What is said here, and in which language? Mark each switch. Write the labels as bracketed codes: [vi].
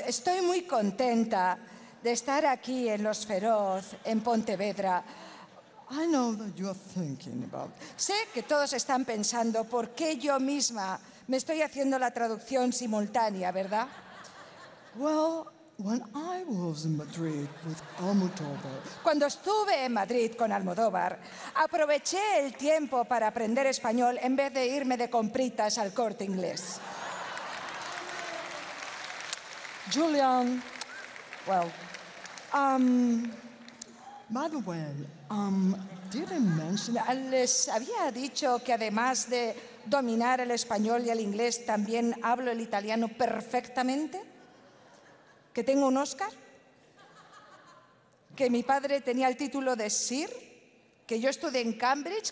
[es] Estoy muy contenta de estar aquí en Los Feroz, en Pontevedra. [en] I know that you're thinking about. [es] Sé que todos están pensando por qué yo misma me estoy haciendo la traducción simultánea, ¿verdad? [en] Well, when I was in Madrid with Almodóvar. [es] Cuando estuve en Madrid con Almodóvar, aproveché el tiempo para aprender español en vez de irme de compritas al Corte Inglés. [en] Julian, well, by the way, didn't mention. [es] Les había dicho que además de dominar el español y el inglés, también hablo el italiano perfectamente. ¿Que tengo un Oscar? ¿Que mi padre tenía el título de Sir? ¿Que yo estudié en Cambridge?